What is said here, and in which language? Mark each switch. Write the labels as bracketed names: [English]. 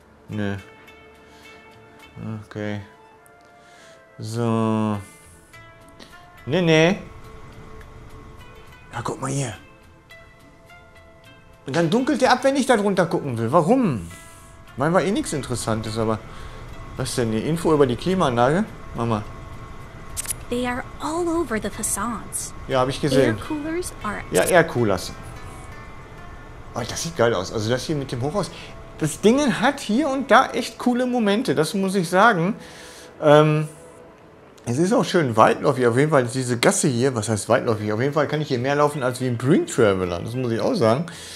[German] Ne. Okay. So. Ne, ne. Ja, guck mal hier. Und dann dunkelt der ab, wenn ich da drunter gucken will. Warum? Weil war eh nichts Interessantes, aber... Was denn? Die Info über die Klimaanlage? Mach mal. [English] They are all over the facades. [German] Ja, hab ich gesehen. [English] Air coolers are... [German] Ja, Air coolers. Oh, das sieht geil aus. Also das hier mit dem Hochhaus. Das Ding hat hier und da echt coole Momente. Das muss ich sagen. Es ist auch schön weitläufig. Auf jeden Fall ist diese Gasse hier... Was heißt weitläufig? Auf jeden Fall kann ich hier mehr laufen als wie ein Dream Traveler. Das muss ich auch sagen.